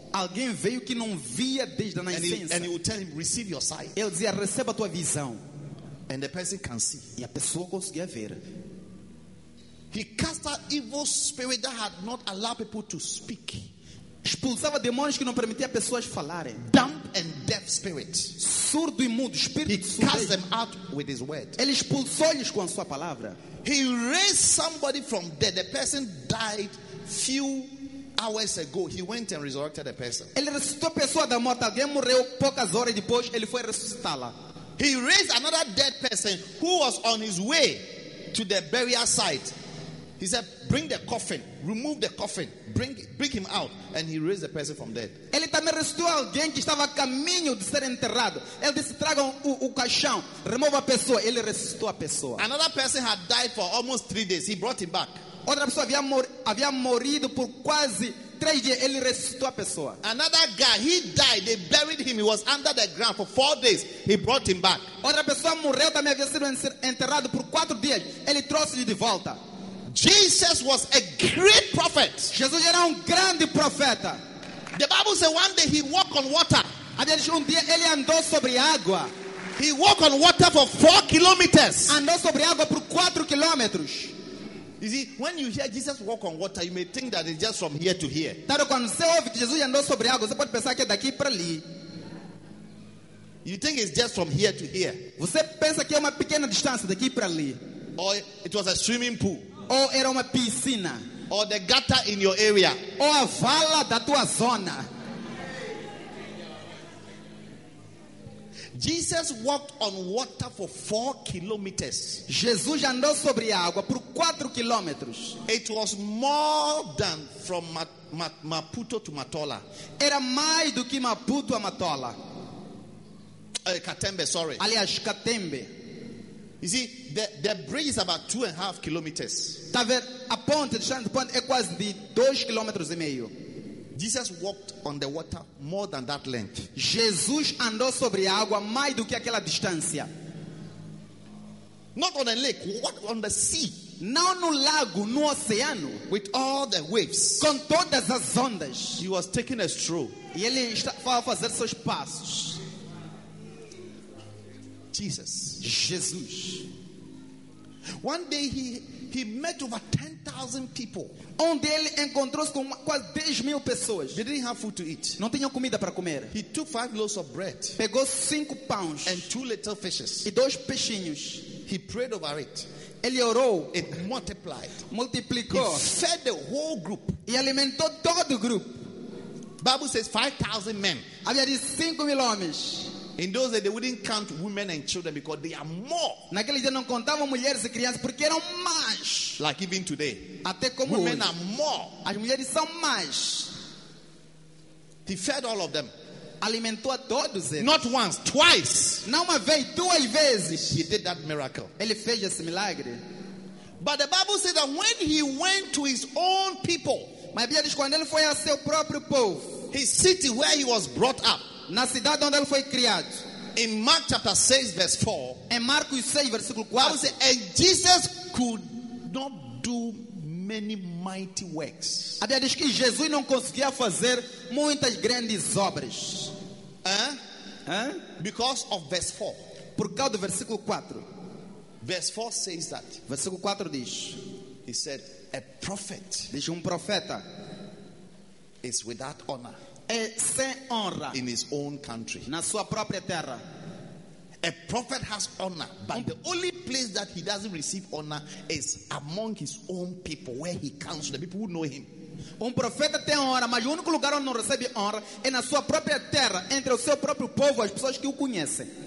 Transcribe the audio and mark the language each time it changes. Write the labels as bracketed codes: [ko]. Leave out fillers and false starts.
[pt] Alguém veio que não via desde a nascença. [en] And he will tell him, receive your sight. [pt] Ele dizia, receba a tua visão. [en] And the person can see. [pt] E a pessoa conseguia ver. [en] He cast out evil spirit that had not allowed people to speak. [pt] Expulsava demônios que não permitia pessoas falarem. [en] Dumb and deaf spirit. [pt] Surdo e mudo espírito. [en] He cast them out with his word. [pt] Ele expulsou-lhes com a sua palavra. [en] He raised somebody from dead. The person died few hours ago. He went and resurrected the person. [pt] Ele ressuscitou a pessoa da morte. Alguém morreu poucas horas depois. Ele foi ressuscitá-la. [en] He raised another dead person who was on his way to the burial site. He said, bring the coffin, remove the coffin, bring him out, and he raised the person from dead. [pt] Ele também ressuscitou alguém que estava a caminho de ser enterrado. Ele disse, tragam o caixão, remova a pessoa. Ele ressuscitou a pessoa. [en] Another person had died for almost 3 days. He brought him back. [pt] Outra pessoa havia morrido por quase 3 dias. Ele ressuscitou a pessoa. [en] Another guy, he died. They buried him. He was under the ground for 4 days. He brought him back. [pt] Outra pessoa morreu, também havia sido enterrado por 4 dias. Ele trouxe-lhe de volta. [en] Jesus was a great prophet. [pt] Jesus era grande profeta. [en] The Bible says one day he walked on water. [pt] Um dia ele andou sobre água. [en] He walked on water for 4 kilometers. [pt] Andou sobre água por 4 quilômetros. [en] You see, when you hear Jesus walk on water, you may think that it's just from here to here. [pt] Claro, quando você ouve que Jesus andou sobre água, você pode pensar que é daqui para ali. [en] You think it's just from here to here. [pt] Você pensa que é uma pequena distância daqui para ali. [en] Or it was a swimming pool. [pt] Ou era uma piscina. [en] Or the gutter in your area. [pt] Ou a vala da tua zona. [en] Jesus walked on water for 4 kilometers. [pt] Jesus andou sobre água por 4 quilômetros. [en] It was more than from Maputo to Matola. [pt] Era mais do que Maputo a Matola. [en] Katembe, sorry. [pt] Aliás, Katembe. [en] You see, the bridge is about 2.5 kilometers. [pt] Tá vendo? A ponte, o chão de ponte é quase de 2,5 quilômetros. [en] Jesus walked on the water more than that length. [pt] Jesus andou sobre a água mais do que aquela distância. [en] Not on a lake, what on the sea? [pt] Não no lago, no oceano. [en] With all the waves. [pt] Com todas as ondas. [en] He was taking a stroll. [pt] E ele estava a fazer seus passos. [en] Jesus. [pt] Jesus. [en] One day he met over 10,000 people. [pt] Onde ele encontrou-se com quase 10 mil pessoas. [en] They didn't have food to eat. [pt] Não tinham comida para comer. [en] He took 5 loaves of bread. [pt] Pegou 5 pães. [en] And 2 little fishes. [pt] E 2 peixinhos. [en] He prayed over it. [pt] Ele orou. [en] It multiplied. [pt] Multiplicou. [en] He fed the whole group. [pt] E alimentou todo o grupo. [en] Bible says 5,000 men. [pt] Havia de 5 mil homens. [en] In those days, they wouldn't count women and children because they are more. [pt] Naqueles dias não contavam mulheres e crianças porque eram mais. [en] Like even today. [pt] Até como [en] women [pt] hoje. [en] Are more. [pt] As mulheres são mais. [en] He fed all of them. [pt] Alimentou a todos eles. [en] Not once, twice. [pt] Não uma vez, 2 vezes. [en] He did that miracle. [pt] Ele fez esse milagre. [en] But the Bible says that when he went to his own people. [pt] Mas a Bíblia diz quando ele foi ao seu próprio povo. [en] His city where he was brought up. [pt] Na cidade onde ele foi criado. [en] In Mark chapter 6 verse 4. [pt] Em Marcos 6 versículo 4. [en] Says, and Jesus could not do many mighty works. [pt] A Bíblia diz que Jesus não conseguia fazer muitas grandes obras. [en] Because of verse 4. [pt] Por causa do versículo 4. [en] Verse 4 says that. [pt] Versículo 4 diz. [en] He said, a prophet. [pt] Diz um profeta. [en] Is without honor. [pt] É sem honra. [en] In his own country. [pt] Na sua própria terra. [en] A prophet has honor, but the only place that he doesn't receive honor is among his own people, where he comes to the people who know him. [pt] Profeta tem honra, mas o único lugar onde não recebe honra é na sua própria terra, entre o seu próprio povo, as pessoas que o conhecem.